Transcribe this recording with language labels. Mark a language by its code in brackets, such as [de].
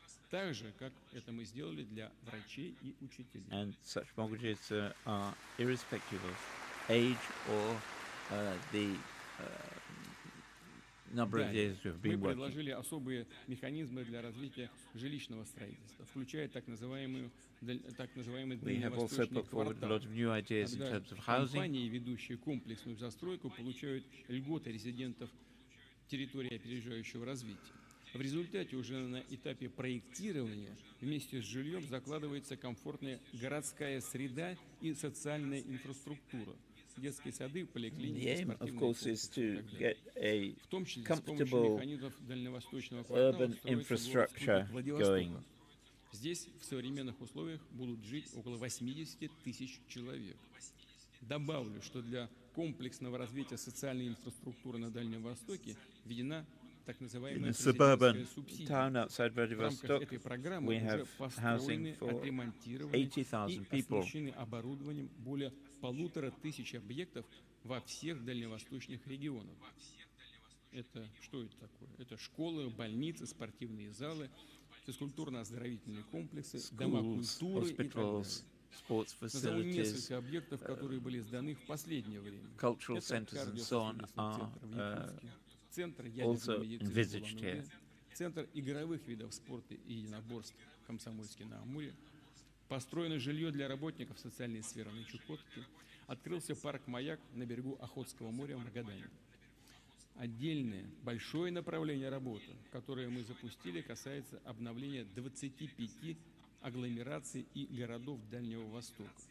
[ru] Так же, как это мы сделали для врачей и учителей. [en] And such mortgages are irrespective of age or the number of years you've been working. [ru] Мы предложили особые механизмы для развития жилищного строительства, включая так называемый дальневосточный квартал. Когда компании, ведущие комплексную застройку, получают льготы резидентов территории опережающего развития. В результате уже на этапе проектирования вместе с жильем закладывается комфортная городская среда и социальная инфраструктура. Детские сады, поликлиники, [en] the aim, of course, is to get a comfortable urban infrastructure going. [ru] Здесь в современных условиях будут жить около 80 тысяч человек. Добавлю, что для комплексного развития социальной инфраструктуры на Дальнем Востоке введена так называемая [en] suburban town outside Vladivostok, we have housing for 80,000 people. [ru] Оснащены оборудованием более 1500 объектов во всех дальневосточных регионах. Это что это такое? Это школы, больницы, спортивные залы, физкультурно-оздоровительные комплексы, дома культуры и так далее. [en] Sports facilities, [ru] объектов, которые были сданы в последнее время. [en] Cultural centers and so on are also envisaged here. [ru] Центр игровых видов спорта и единоборств Комсомольске-на-Амуре. Построено жилье для работников социальной сферы на Чукотке. Открылся парк «Маяк» на берегу Охотского моря в Магадане. Отдельное большое направление работы, которое мы запустили, касается обновления 25 агломераций и городов Дальнего Востока.